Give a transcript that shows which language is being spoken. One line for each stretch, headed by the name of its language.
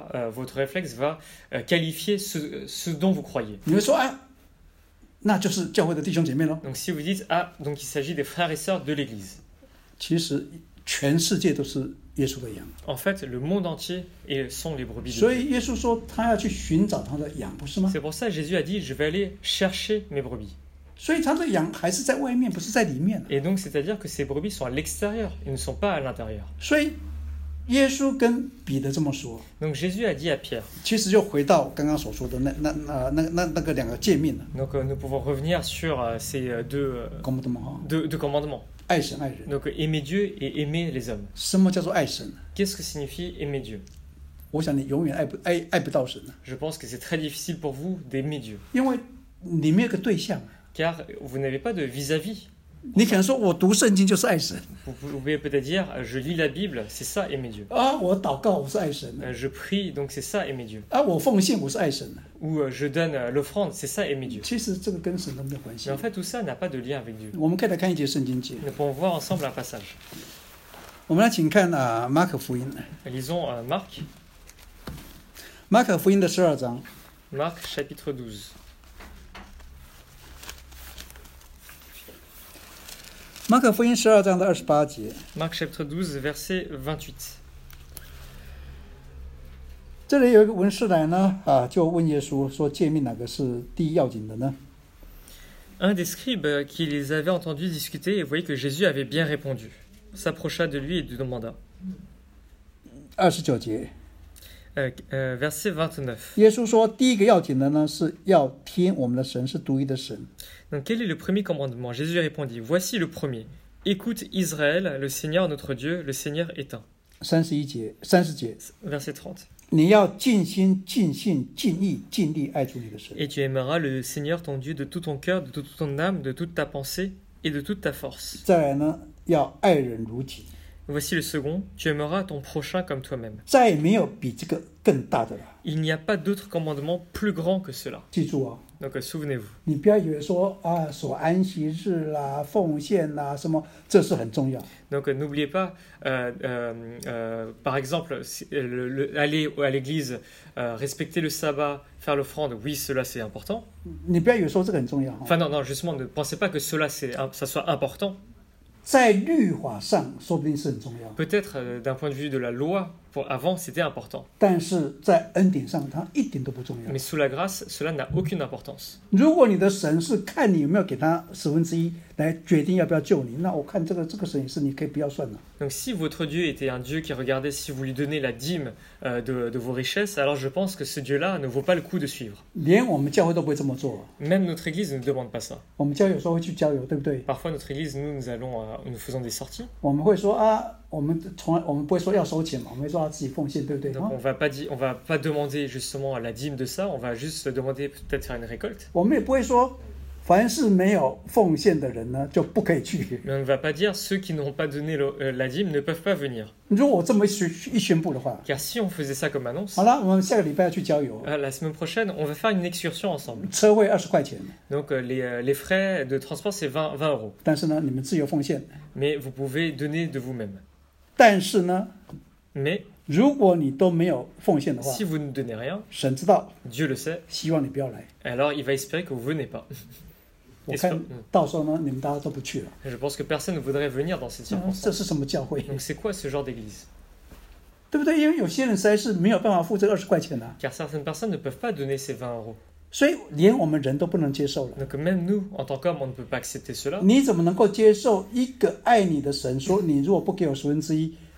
French: Votre réflexe va qualifier ce dont vous croyez.
Chinese: 你们说啊，那就是教会的弟兄姐妹喽。
French: Donc si vous dites ah, donc il s'agit des frères et sœurs de l'Église.
Chinese: 其实。全世界都是耶稣的羊。
French: En fait, le monde entier sont les brebis de Dieu.
Chinese: 所以耶稣说他要去寻找他的羊，不是吗？
French: C'est pour ça que Jésus a dit, je vais aller chercher mes brebis.
Chinese: 所以他的羊还是在外面，不是在里面。
French: Et donc, c'est-à-dire que ces brebis sont à l'extérieur, ils ne sont pas à l'intérieur.
Chinese: 所以耶稣跟彼得这么说。
French: Donc Jésus a dit à Pierre.
Chinese: 其实就回到刚刚所说的那个两个诫命了。
French: Donc nous pouvons revenir sur ces deux commandements.
Chinese: 爱神爱人。
French: Donc aimer Dieu et aimer les hommes.
Chinese: 什么叫做爱神？
French: Qu'est-ce que signifie aimer Dieu?
Chinese: 我想你永远爱不到神。
French: Je pense que c'est très difficile pour vous d'aimer Dieu.
Chinese: 因为你没有个对象。
French: Car vous n'avez pas de vis-à-vis.
Chinese: 你可能说我读圣经就是爱神。
French: Vous pouvez peut-être dire je lis la Bible, c'est ça aimer Dieu.
Chinese: 啊，我祷告我是爱神。
French: Je prie donc c'est ça aimer Dieu.
Chinese: 啊，我奉献我是爱神。
French: Ou je donne l'offrande, c'est ça aimer Dieu.
Chinese: 其实这个跟神都没有关系。
French: Mais en fait, tout ça n'a pas de lien avec Dieu.
Chinese: 我们可以来看一节圣经节。
French: Nous pouvons voir ensemble un passage.
Chinese: 我们来请看啊，马可福音。
French: Lisons Marc.
Chinese: 马可福音的十二章。
French: Marc chapitre 12.
Chinese: 马可福音十二章的二十八节。
French: Marc chapitre 12, verset 28.
Chinese: 这里有一个文士来呢，啊，就问耶稣说：“诫命哪个是第一要紧的呢？”
French: Un des scribes qui les avait entendus discuter et voyait que Jésus avait bien répondu, s'approcha de lui et lui demanda.
Chinese: 二十九节。
French: Verset 29.
Chinese: 耶稣说：“第一个要紧的呢，是要听我们的神是独一的神。”
French: Donc quel est le premier commandement ? Jésus répondit : Voici le premier. Écoute Israël, le Seigneur notre Dieu, le Seigneur est un.
Chinese: 30节
French: Verset 30.
Chinese: 你要尽心、尽性、尽意、尽力爱主你的神。
French: Et tu aimeras le Seigneur ton Dieu de tout ton cœur, de toute ton âme, de toute ta pensée et de toute ta force.
Chinese: 再来呢，要爱人如己。
French: Voici le second, tu aimeras ton prochain comme toi-même.
Chinese: 再也没有比这个更大的了。
French: Il n'y a pas d'autre commandement plus grand que cela.
Chinese: 记住啊。
French: Donc souvenez-vous.
Chinese: 你不要以为说啊，守安息日啦，奉献啦，什么，这是很重要。
French: Donc n'oubliez pas, par exemple, aller à l'église, respecter le sabbat, faire l'offrande, oui, cela c'est important.
Chinese: 你不要以为说这个很重要。
French: Enfin non, justement, ne pensez pas que cela c'est, ça soit important.
Chinese: 在律法上说不定是很重要。
French: Peut-être d'un point de vue de la loi, pour avant, c'était important.
Chinese: 但是在恩典上它一点都不重要。
French: Mais sous la grâce, cela n'a aucune importance.
Chinese: 如果你的神是看你有没有给他十分之一来决定要不要救你，那我看这个神也是你可以不要算的。
French: Donc si votre Dieu était un Dieu qui regardait si vous lui donnez la dîme de vos richesses, alors je pense que ce Dieu-là ne vaut pas le coup de suivre.
Chinese: 连我们教会都不会这么做。
French: Même notre église ne demande pas ça.
Chinese: 我们教会有时候会去郊游，对不对？
French: Parfois notre église, nous allons, nous faisons des sorties.
Chinese: 我们会说啊，我们不会说要收钱嘛，我们会说自己奉献，对不对？
French: Donc on va pas dire, on va pas demander justement la dîme de ça, on va juste demander peut-être faire une récolte.
Chinese: 我们也不会说。凡是没有奉献的人呢，就不可以去。
French: Mais on ne va pas dire ceux qui n'ont pas donné la dîme ne peuvent pas venir.
Chinese: 如果这么一宣布的话。
French: Car si on faisait ça comme annonce.
Chinese: 好了，我们下个礼拜要去郊游。
French: La semaine prochaine, on va faire une excursion ensemble.
Chinese: 车位二十块钱。
French: Donc les frais de transport c'est 20 euros.
Chinese: 但是呢，你们自由奉献。
French: Mais vous pouvez donner de vous-même.
Chinese: 但是呢。
French: Mais.
Chinese: 如果你都没有奉献的话。
French: Si vous ne donnez rien.
Chinese: 神知道。
French: Dieu le sait.
Chinese: 希望你不要来。
French: Alors il va espérer que vous venez pas.
Chinese: 我看到时候呢，你们大家都不去了。
French: Je pense que personne ne voudrait venir dans cette circonstance.
Chinese: 这是什么教会
French: ？Donc c'est quoi ce genre d'église？
Chinese: 对不对？因为有些人实在是没有办法付这二十块钱的。
French: Car certaines personnes ne peuvent pas donner ces 20 euros.
Chinese: 所以连我们人都不能接受了。
French: Donc même nous, en tant qu'homme, on ne peut pas accepter cela.
Chinese: 你怎么能够接受一个爱你的神说你如果不给我十分之一，